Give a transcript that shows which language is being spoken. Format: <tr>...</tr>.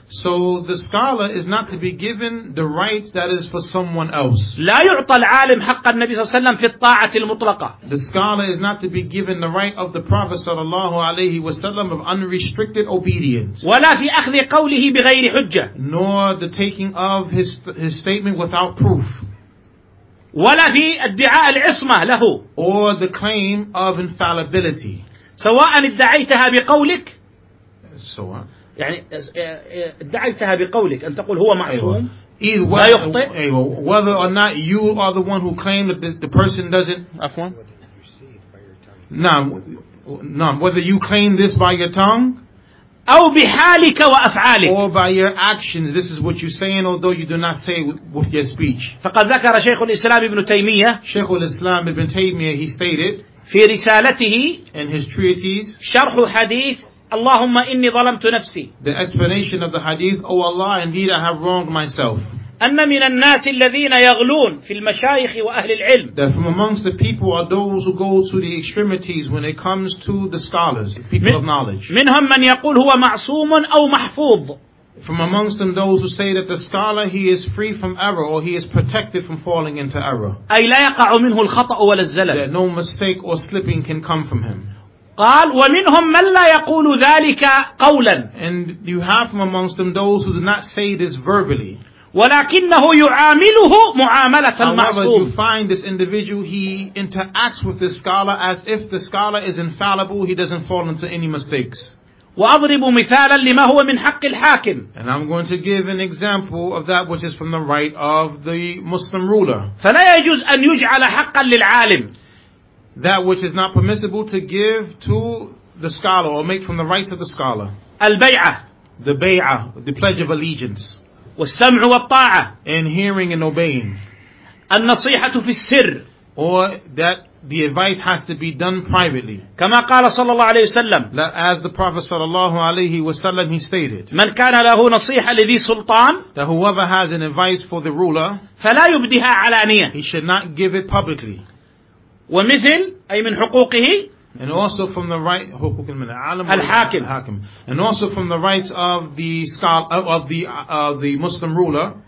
<en>So the scholar is not to be given the right that is for someone else.</en> <ar>لا يعطى العالم حق النبي صلى الله عليه وسلم في الطاعة المطلقة.</ar> <en>The scholar is not to be given the right of the Prophet صلى الله عليه وسلم of unrestricted obedience.</en> <ar>ولا في أخذ قوله بغير حجة.</ar> <en>Nor the taking of his statement without proof.</en> <ar>ولا في ادعاء العصمة له.</ar> <en>Or the claim of infallibility.</en> <ar>سواء ادعيتها بقولك سواء يعني ادعيتها بقولك أن تقول هو معصوم أيوة. لا يخطئ أيوة.</ar> <en>Whether or not you are the one who claimed that the person doesn't</en> <ar>عفوا</ar> <en>نعم whether you claim this by your tongue</en> <ar>أو بحالك وأفعالك</ar> <en>or by your actions this is what you're saying although you do not say with your speech.</en> <ar>فقد ذكر شيخ الإسلام ابن تيمية</ar> <en>شيخ الإسلام ابن تيمية he stated</en> <ar>في رسالته شرح حديث اللهم إني ظلمت نفسي</ar> <en>the explanation of the hadith oh Allah indeed I have wronged myself</en> <ar>أن من الناس الذين يغلون في المشايخ وأهل العلم</ar> <en>that from amongst the people are those who go to the extremities when it comes to the scholars the people of knowledge</en> <ar>منهم من يقول هو معصوم أو محفوظ</ar> <en>from amongst them those who say that the scholar he is free from error or he is protected from falling into error</en> <ar>أي لا يقع منه الخطأ ولا الزلل</ar> <en>that no mistake or slipping can come from him</en> <ar>قال ومنهم من لا يقول ذلك قولا</ar> <en>and you have from amongst them those who do not say this verbally</en> <ar>ولكنه يعامله معاملة المعصوم</ar> <en>however you find this individual he interacts with the scholar as if the scholar is infallible he doesn't fall into any mistakes</en> <ar>وأضرب مثالا لما هو من حق الحاكم.</ar> <en>And I'm going to give an example of that which is from the right of the Muslim ruler.</en> <ar>فلا يجوز أن يجعل حقا للعالم.</ar> <en>That which is not permissible to give to the scholar or make from the rights of the scholar.</en> <ar>البيعة.</ar> <en>The بيعة, the pledge of allegiance.</en> <ar>والسمع والطاعة.</ar> <en>And hearing and obeying.</en> <ar>النصيحة في السر.</ar> <en>Or that the advice has to be done privately.</en> <ar>كما قال صلى الله عليه وسلم.</ar> <en>That as the Prophet صلى الله عليه وسلم he stated.</en> <ar>من كان له نصيحة لذي سلطان.</ar> <en>That whoever has an advice for the ruler.</en> <ar>فلا يبديها علانية.</ar> <en>He should not give it publicly.</en> <ar>ومثل أي من حقوقه.</ar> <en>And also from the right</en> <ar>حقوق من العالم. الحاكم. الحاكم.</ar> <en>And also from the rights of the scholar of the Muslim ruler.</en>